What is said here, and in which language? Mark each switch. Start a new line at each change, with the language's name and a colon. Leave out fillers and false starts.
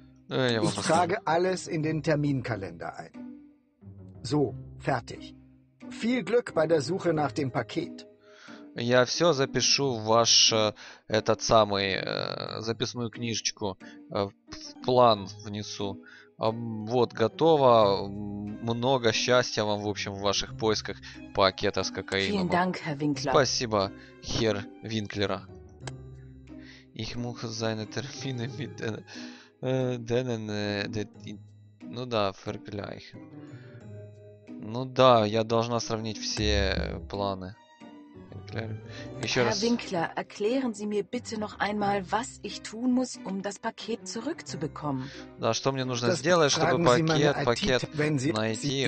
German: Ich trage alles in den Terminkalender ein. So, fertig. Viel Glück bei der Suche nach dem Paket.
Russian: Я все запишу в ваш этот самый записную книжечку, в план внесу. Вот, готово. Много счастья вам, в общем, в ваших поисках пакета с кокаином.
German: Vielen Dank, Herr Winkler.
Russian: Спасибо, Херр Винклера.
German: Ich muss seine Termine mit denen,
Russian: ну да,
German: vergleichen.
Russian: Ну да, я должна сравнить все планы.
German: Herr Winkler, erklären Sie mir bitte noch einmal, was ich tun muss, um das Paket zurückzubekommen.
Russian: Да, что мне нужно сделать, чтобы пакет найти?